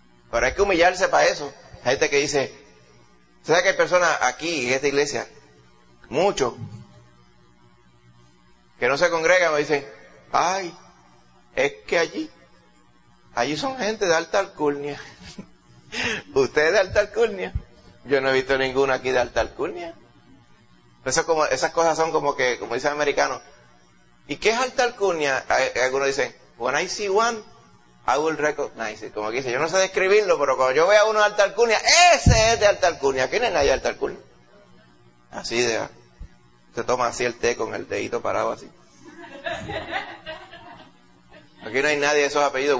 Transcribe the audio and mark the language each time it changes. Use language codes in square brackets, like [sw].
[es] Pero hay que humillarse para eso. Hay gente que dice... O sea que hay personas aquí, en esta iglesia, muchos, que no se congregan, me dicen, ay, es que allí son gente de alta alcurnia. ¿Usted es de alta alcurnia? Yo no he visto ninguno aquí de alta alcurnia. Eso como, esas cosas son como que, como dicen americanos, ¿y qué es alta alcurnia? Algunos dicen, [en] when I see one, I will recognize it. [es] Como que dice, yo no sé describirlo, pero cuando yo vea uno de alta alcurnia, ese es de alta alcurnia. ¿Quién es nadie de alta alcurnia? Así de, se toma así el té con el dedito parado así. Aquí no hay nadie de esos apellidos.